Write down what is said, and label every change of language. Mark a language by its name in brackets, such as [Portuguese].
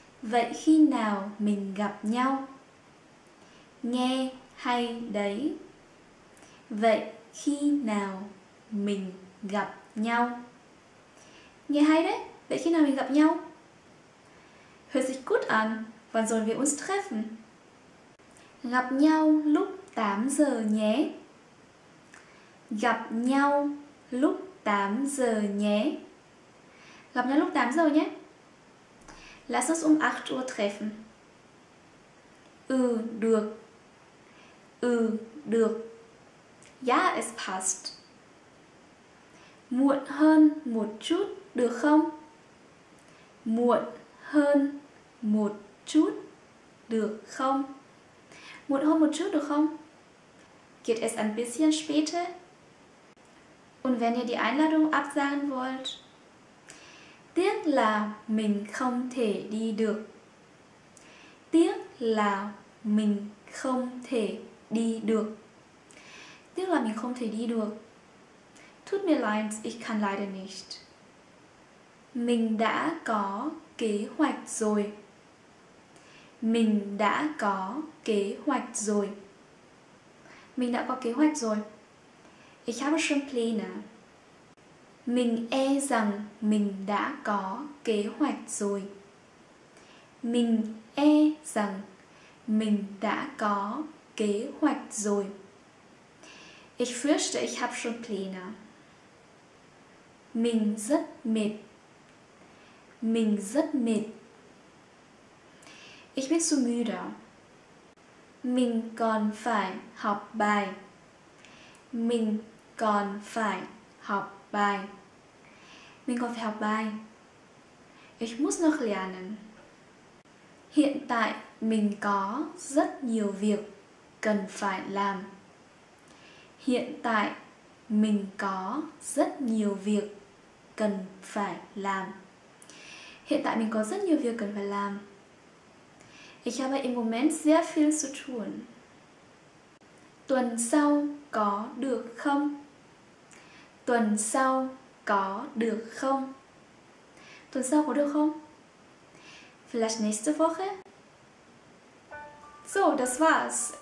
[Vietnamese] Vậy khi nào mình gặp nhau? Nghe hay đấy. Vậy khi nào mình gặp nhau? Nghe hay đấy. Vậy khi nào mình gặp nhau? [German] Hört sich gut an. Wann sollen wir uns treffen? [Vietnamese] Gặp nhau lúc 8 giờ nhé. Gặp nhau lúc 8 giờ nhé. Gặp nhau lúc 8 giờ nhé. [German] Lass uns 8 Uhr treffen. [Vietnamese] Ừ, được. Ừ, được. [German] Ja, es passt. [Vietnamese] Muộn hơn một chút được không? Muộn hơn một chút được không? Muộn hơn một chút được không? [German] Geht es ein bisschen später? Und wenn ihr die Einladung absagen wollt? [Vietnamese] Tiếc là mình không thể đi được. Tiếc là mình không thể đi được. Tiếc là mình không thể đi được. [German] Tut mir leid, ich kann leider nicht. [Vietnamese] Mình đã có kế hoạch rồi. Mình đã có kế hoạch rồi. Mình đã có kế hoạch rồi. [German] Ich habe schon Pläne. [Vietnamese] Mình e rằng mình đã có kế hoạch rồi. Mình e rằng mình đã có kế hoạch rồi. [German] Ich fürchte, ich habe schon Pläne. [Vietnamese] Mình rất mệt. Mình rất mệt. [German] Ich bin zu müde. [Vietnamese] Mình còn phải học bài. Mình còn phải học bài. Mình còn phải học bài. [German] Ich muss noch lernen. [Vietnamese] Hiện tại mình có rất nhiều việc cần phải làm. Hiện tại mình có rất nhiều việc cần phải làm. Hiện tại mình có rất nhiều việc cần phải làm. [German] Ich habe im Moment sehr viel zu tun. [Vietnamese] Tuần sau có được không? Tuần sau có được không? Tuần sau có được không? [German] Vielleicht nächste Woche? So, das war's.